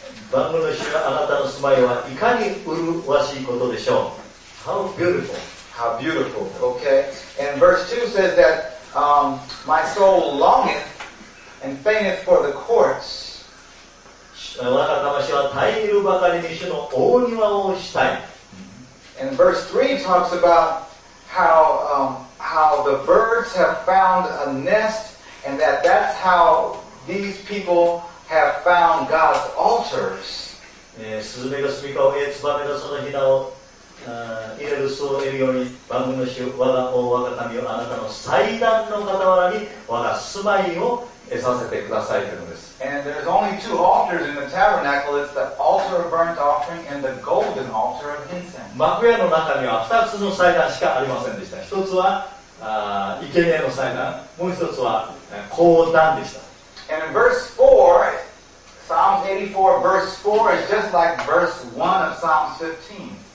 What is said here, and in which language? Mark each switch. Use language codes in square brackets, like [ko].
[ja] 万の主はあなたの住まいはいかに麗しいことでしょう。 [en] How beautiful. How beautiful. Okay. And verse 2 says that my soul longeth and fainteth for the courts. [ja] 我が魂は耐えるばかりに主の大庭をしたい。 [en] And verse 3 talks about how the birds have found a nest and that's how these people. Have found God's altars. [ja] スズメが住みかを得、ツバメがそのひなを入れる巣を得るように、万軍の主、我が王、我が民をあなたの祭壇の傍らに、我が住まいを得させてくださいというのです。 [en] And there's only two altars in the tabernacle. It's the altar of burnt offering and the golden altar of incense. [ja] 幕屋の中には二つの祭壇しかありませんでした。一つは生贄の祭壇、もう一つは香壇でした。 [en] And in verse 4, Psalm 84, verse 4 is just like verse 1 of Psalm 15.